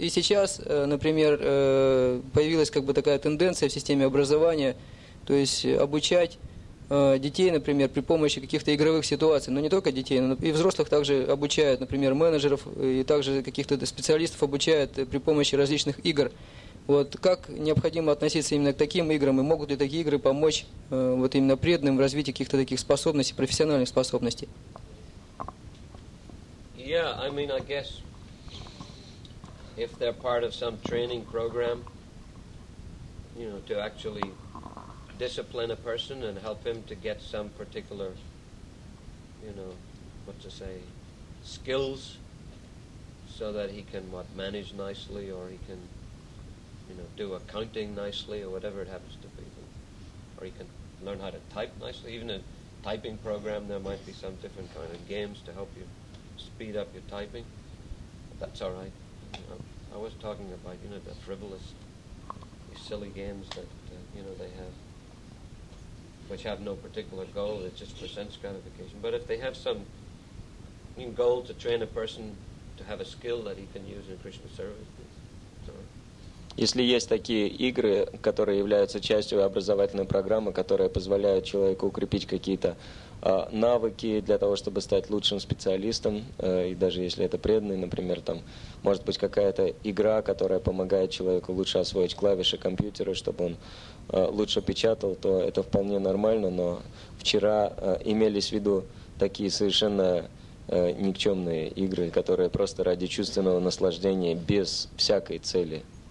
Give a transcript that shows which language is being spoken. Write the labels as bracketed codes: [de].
[ru] И сейчас, например, появилась как бы такая тенденция в системе образования, то есть обучать детей, например, при помощи каких-то игровых ситуаций, но не только детей, но и взрослых также обучают, например, менеджеров, и также каких-то специалистов обучают при помощи различных игр. Вот. Как необходимо относиться именно к таким играм, и могут ли такие игры помочь вот именно преданным в развитии каких-то таких способностей, профессиональных способностей? [en] Yeah, I mean, I guess if they're part of some training program, you know, to actually discipline a person and help him to get some particular, you know, what to say, skills, so that he can what manage nicely, or he can, you know, do accounting nicely, or whatever it happens to be, or he can learn how to type nicely. Even a typing program, there might be some different kind of games to help you speed up your typing. But that's all right. You know, I was talking about, you know, the frivolous, the silly games that you know, they have, which have no particular goal, it's just for sense gratification. But if they have some goal to train a person to have a skill that he can use in Krishna service, it's alright. [ru] Если есть такие игры, которые являются частью образовательной программы, которые позволяют человеку укрепить какие-то навыки для того, чтобы стать лучшим специалистом, и даже если это преданный, например, там, может быть, какая-то игра, которая помогает человеку лучше освоить клавиши компьютера, чтобы он лучше печатал, то это вполне нормально, но вчера имелись в виду такие совершенно никчемные игры, которые просто ради чувственного наслаждения, без всякой цели.